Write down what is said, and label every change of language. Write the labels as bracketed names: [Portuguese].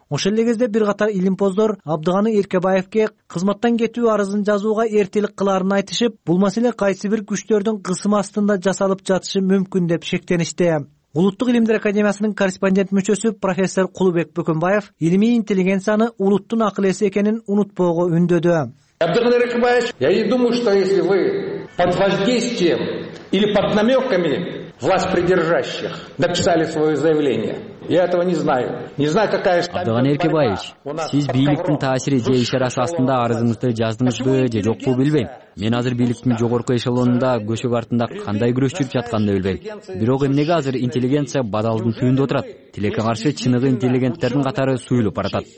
[Kyrgyz] Ошол эле кезде бир катар илимпоздор Абдыганы Эркебаевке кызматтан кетүү арызын жазууга эртелик кылаарын айтып, бул маселе кайсы бир күчтөрдүн кысым астында жасалып жатышы мүмкүн деп шектеништи. Улуттук илимдер академиясынын корреспондент мүчөсү профессор Кулубек Бөкөнбаев илимий интеллигенцияны улуттун акыл эси экенин унутпоого үндөдү. [Russian] Абдыган Эркебаевич, я не думаю, что если вы под воздействием или под намеками власть придержащих написали свое заявление. Я этого не знаю. Не знаю, какая штамп. [Kyrgyz] Абдыган Эркебаевич, сиз бийликтин таасири же ишарасы астында арызыңызды жаздыңызбы же жокпу билбейм. Мен азыр бийликтин жогорку эшелонунда көшөк артында кандай күрөш жүрүп жатканын да билбейм. Бирок эмнеге азыр интеллигенция бадалдын түйүндө отурат? Тилекке каршы чыныгы интеллигенттердин катары суюлуп баратат.